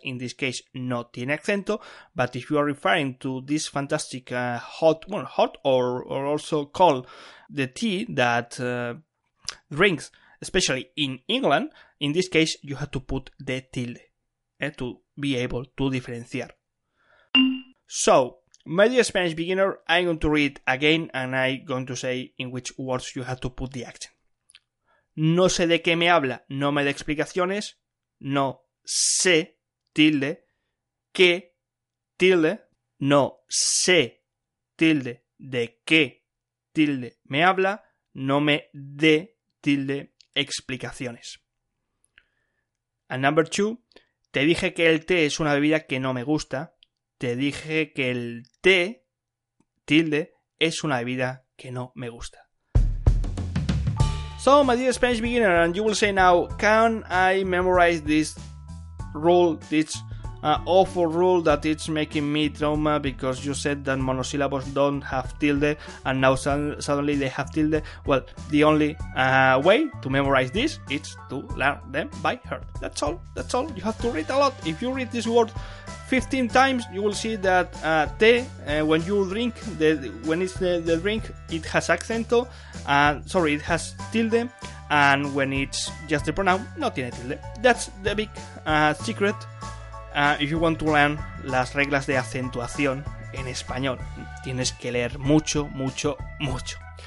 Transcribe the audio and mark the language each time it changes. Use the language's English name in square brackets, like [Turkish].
[English] In this case, [Spanish] no tiene acento. [English] But if you are referring to this fantastic hot or also cold, the tea that drinks, especially in England, in this case, you have to put the tilde to be able to diferenciar. So, my dear Spanish beginner, I'm going to read again and I'm going to say in which words you have to put the accent. [Spanish] No sé de qué me habla, no me dé explicaciones, no sé, tilde, qué, tilde, no sé, tilde, de qué, tilde, me habla, no me dé, tilde, explicaciones. [English] And number two, [Spanish] te dije que el té es una bebida que no me gusta. Te dije que el té, tilde, es una bebida que no me gusta. [English] So, my dear Spanish beginner, and you will say now, can I memorize this rule, this awful rule that it's making me trauma because you said that monosyllables don't have tilde and now suddenly they have tilde? Well, the only way to memorize this is to learn them by heart. That's all, that's all. You have to read a lot. If you read this word 15 times, you will see that when you drink, when it's the drink, it has accento, it has tilde, and when it's just the pronoun, [Spanish] no tiene tilde. [English] That's the big secret if you want to learn [Spanish] las reglas de acentuación en español. Tienes que leer mucho, mucho, mucho.